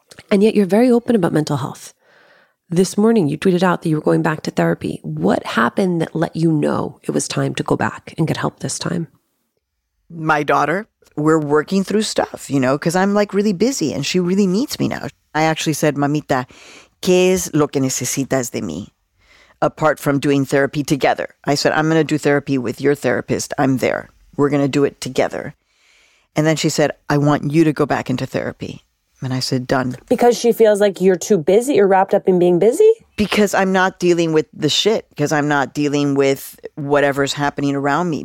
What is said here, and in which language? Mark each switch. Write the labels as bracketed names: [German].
[English] And yet you're very open about mental health. This morning you tweeted out that you were going back to therapy. What happened that let you know it was time to go back and get help this time? My daughter. We're working through stuff, because I'm like really busy and she really needs me now. I actually said, [Spanish] mamita, ¿qué es lo que necesitas de mí? [English] Apart from doing therapy together. I said, I'm going to do therapy with your therapist. I'm there. We're going to do it together. And then she said, I want you to go back into therapy. And I said, done. Because she feels like you're too busy. You're wrapped up in being busy? Because I'm not dealing with the shit. Because I'm not dealing with whatever's happening around me.